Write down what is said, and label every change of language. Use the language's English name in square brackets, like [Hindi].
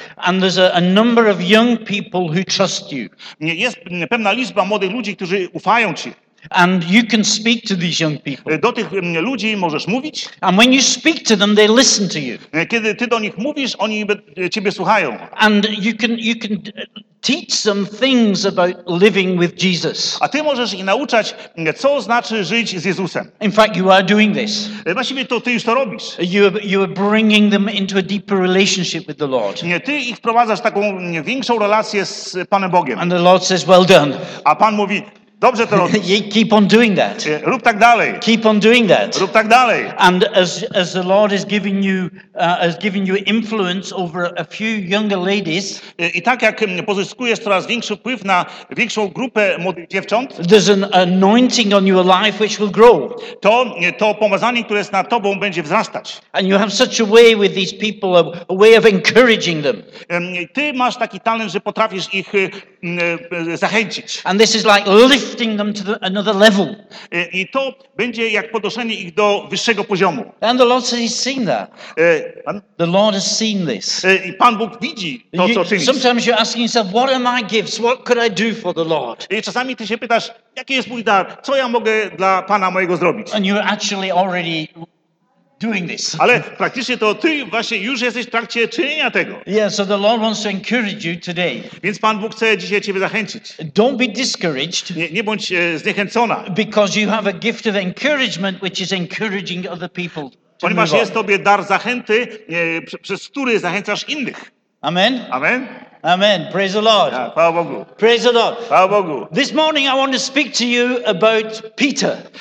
[English] And there's a number of young people who trust you. [Polish] Jest pewna liczba młodych ludzi, którzy ufają ci. [English] And you can speak to these young people. [Polish] Do tych ludzi możesz mówić. [English] And when you speak to them, they listen to you. [Polish] Kiedy ty do nich mówisz, oni ciebie słuchają. [English] And you can teach them things about living with Jesus. [Polish] A ty możesz ich nauczać, co znaczy żyć z Jezusem. [English] In fact, you are doing this. [Polish] Właściwie to ty już to robisz. [English] You are bringing them into a deeper relationship with the Lord. [Polish] Nie, ty ich wprowadzasz taką większą relację z Panem Bogiem. [English] And the Lord says, well done. [Polish] A Pan mówi: dobrze to robisz. [English] Keep on doing that. [Polish] Rób tak dalej. [English] Keep on doing that. [Polish] Rób tak dalej. [English] And as the Lord has given you influence over a few younger ladies. [Polish] I tak jak pozyskujesz coraz większy wpływ na większą grupę młodych dziewcząt. [English] There's an anointing on your life which will grow. [Polish] To pomazanie, które jest na tobą, będzie wzrastać. [English] And you have such a way with these people, a way of encouraging them. [Polish] Ty masz taki talent, że potrafisz ich zachęcić. [English] And this is like lifting them to another level. [Polish] I to będzie jak podnoszenie ich do wyższego poziomu. [English] And the Lord says he's seen that. The Lord has seen this. [Polish] I Pan Bóg widzi to, co czynisz. [English] Sometimes you're asking yourself, what are my gifts? What could I do for the Lord? [Polish] I czasami ty się pytasz, jaki jest mój dar? Co ja mogę dla Pana mojego zrobić? [English] And you're actually already doing this. [Polish] Ale praktycznie to ty właśnie już jesteś w trakcie czynienia tego. [English] Yeah, so the Lord wants to encourage you today. [Polish] Więc Pan Bóg chce dzisiaj ciebie zachęcić. [English] Don't be discouraged. [Polish] Nie bądź zniechęcona. [English] Because you have a gift of encouragement which is encouraging other people. [Polish] Ponieważ jest tobie dar zachęty, przez który zachęcasz innych. [English] Amen. Amen. Amen. Praise the Lord. [Polish] Chwała Bogu. [English] Praise the Lord. [Polish] Chwała Bogu. [English] This morning I want to speak to you about Peter.